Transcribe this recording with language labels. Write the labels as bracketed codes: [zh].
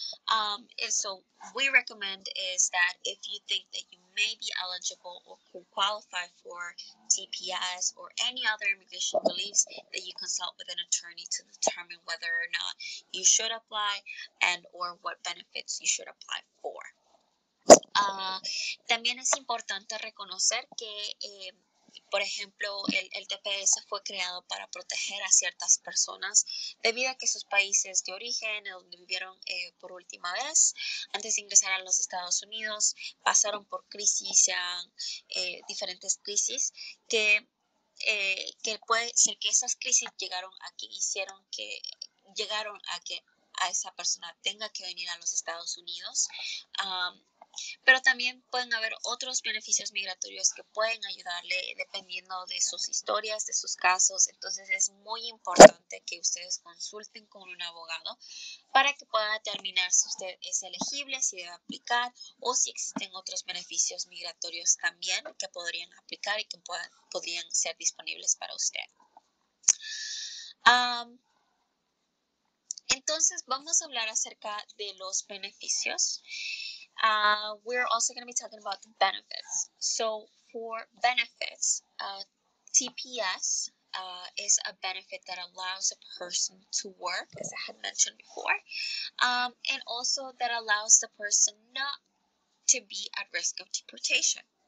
[en] And so we recommend is that if you think that you may be eligible or could qualify for TPS or any other immigration reliefs, that you consult with an attorney to determine whether or not you should apply and or what benefits you should apply for. [es] También es importante reconocer que, por ejemplo, el TPS fue creado para proteger a ciertas personas debido a que sus países de origen, donde vivieron por última vez, antes de ingresar a los Estados Unidos, pasaron por crisis, diferentes crisis, que puede ser que esas crisis llegaron aquí, llegaron a que esa persona tenga que venir a los Estados Unidos. Pero también pueden haber otros beneficios migratorios que pueden ayudarle dependiendo de sus historias, de sus casos. Entonces es muy importante que ustedes consulten con un abogado para que pueda determinar si usted es elegible, si debe aplicar o si existen otros beneficios migratorios también que podrían aplicar y que podrían ser disponibles para usted. Entonces vamos a hablar acerca de los beneficios. [en] We're also going to be talking about the benefits. So for benefits, TPS is a benefit that allows a person to work, as I had mentioned before, and also that allows the person not to be at risk of deportation.